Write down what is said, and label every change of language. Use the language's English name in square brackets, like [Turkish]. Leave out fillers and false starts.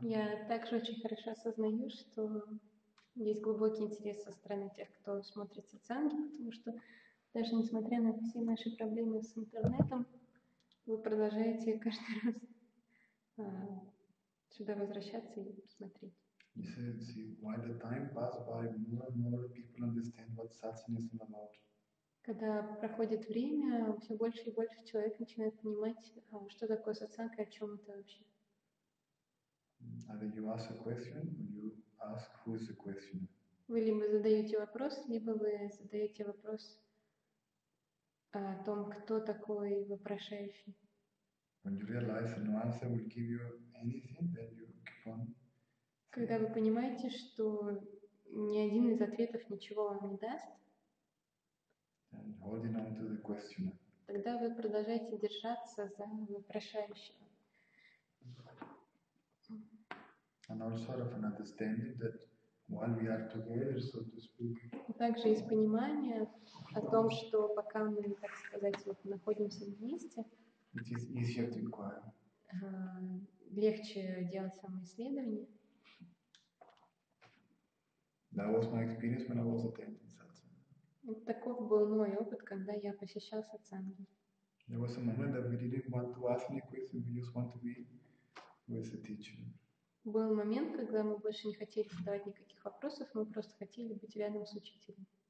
[Russian] Я также очень хорошо осознаю, что есть глубокий интерес со стороны тех, кто смотрит сатсанги, потому что даже несмотря на все наши проблемы с интернетом, вы продолжаете каждый раз сюда возвращаться и смотреть. [English] You said, see, while the time passes by, more and more people understand what satsang is about. [Russian] Когда проходит время, все больше и больше человек начинает понимать, что такое сатсанг и о чем это вообще. [English] Either you ask a question, or you ask who is the questioner. [Russian] Вы либо задаете вопрос, либо вы задаете вопрос о том, кто такой вопрошающий. [English] When you realize that no answer will give you anything, then you keep on. [Russian] Когда вы понимаете, что ни один из ответов ничего вам не даст. [English] And holding on to the questioner. [Russian] Тогда вы продолжаете держаться за вопрошающего. [English] And also sort of an understanding that while we are together, so to speak. [Russian] Также есть понимание о том, что пока мы, так сказать, вот находимся вместе. [English] It is easier to inquire. [Russian] Легче делать самоисследование. [English] That was my experience when I was attending satsang. [Russian] Вот таков был мой опыт, когда я посещал сатсанги. [English] There was a moment that we didn't want to ask any questions, we just want to be with the teacher. [Russian] Был момент, когда мы больше не хотели задавать никаких вопросов, мы просто хотели быть рядом с учителем.